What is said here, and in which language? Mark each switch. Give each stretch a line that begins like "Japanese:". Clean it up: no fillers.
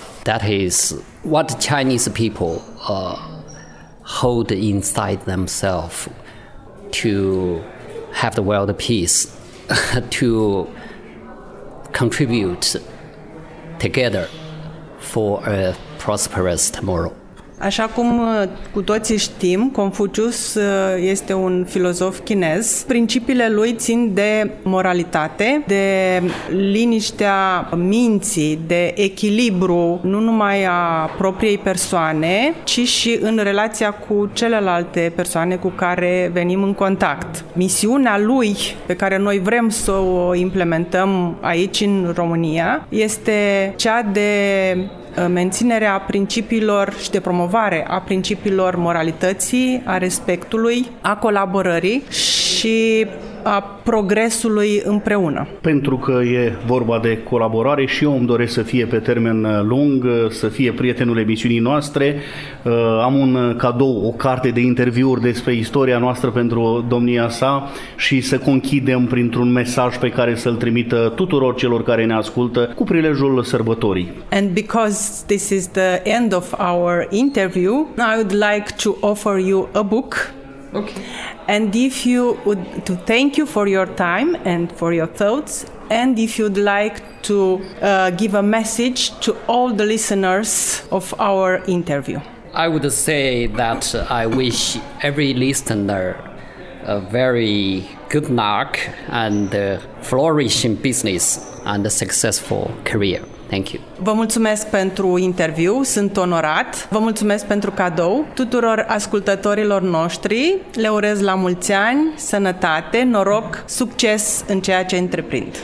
English: That is what Chinese people hold inside themselves to have the world peace, to contribute together for a prosperous tomorrow.
Romanian: Așa cum cu toții știm, Confucius este un filozof chinez. Principiile lui țin de moralitate, de liniștea minții, de echilibru nu numai a propriei persoane, ci și în relația cu celelalte persoane cu care venim în contact. Misiunea lui, pe care noi vrem să o implementăm aici în România, este cea de menținerea principiilor și de promovare a principiilor moralității, a respectului, a colaborării și a progresului împreună. Pentru că e vorba de colaborare și eu îmi doresc să fie pe termen lung, să fie prietenul emisiunii noastre. Am un cadou, o carte de interviuri despre istoria noastră pentru domnia sa și să conchidem printr-un mesaj pe care să-l trimită tuturor celor care ne ascultă cu prilejul sărbătorii.
English: And because this is the end of our interview, I would like to offer you a book. Okay. And if you would to thank you for your time and for your thoughts, and if you'd like to give a message to all the listeners of our interview. I would say that I wish every listener a very good luck and flourishing business and a successful career. Thank you.
Romanian: Vă mulțumesc pentru interviu, sunt onorat. Vă mulțumesc pentru cadou. Tuturor ascultătorilor noștri, le urez la mulți ani, sănătate, noroc, succes în ceea ce întreprind.